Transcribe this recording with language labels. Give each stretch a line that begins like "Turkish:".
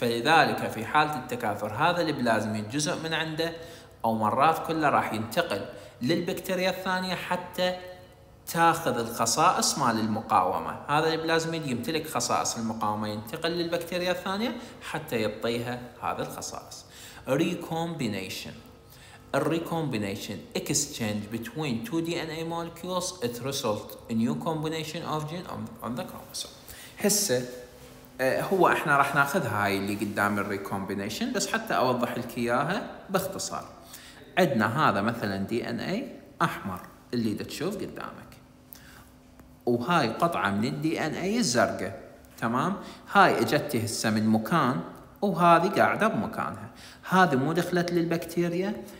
Arabic: فلذلك في حالة التكاثر هذا البلازميد جزء من عنده أو مرات كلها راح ينتقل للبكتيريا الثانية حتى تأخذ الخصائص مال المقاومة. هذا البلازميد يمتلك خصائص المقاومة، ينتقل للبكتيريا الثانية حتى يعطيها هذه الخصائص.
English: Recombination. Recombination exchange between two DNA molecules it result a new combination of gene on the chromosome.
Arabic: هسه هو احنا راح ناخذ هاي اللي قدام الريكومبينيشن، بس حتى اوضح لك اياها باختصار. عندنا هذا مثلا دي ان اي احمر اللي تشوف قدامك، وهاي قطعه من الدي ان اي الزرقاء، تمام؟ هاي اجت هسه من مكان وهذه قاعده بمكانها، هذه مو دخلت للبكتيريا.